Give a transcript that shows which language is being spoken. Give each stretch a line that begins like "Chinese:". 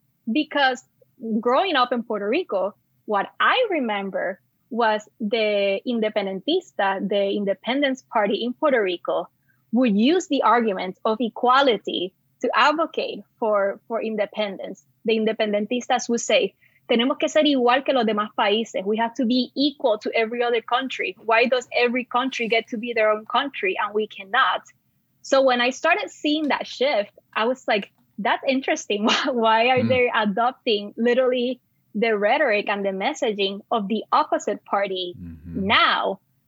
English: Because growing up in Puerto Rico, what I remember was the Independentista, the Independence Party in Puerto Rico, would use the argument of equality to advocate for independence. The Independentistas would say,
Spanish: tenemos que ser igual que los demás países.
English: We have to be equal to every other country. Why does every country get to be their own country and we cannot? So when I started seeing that shift, I was like, that's interesting. Why are they adopting literally the rhetoric and the messaging of the opposite party now?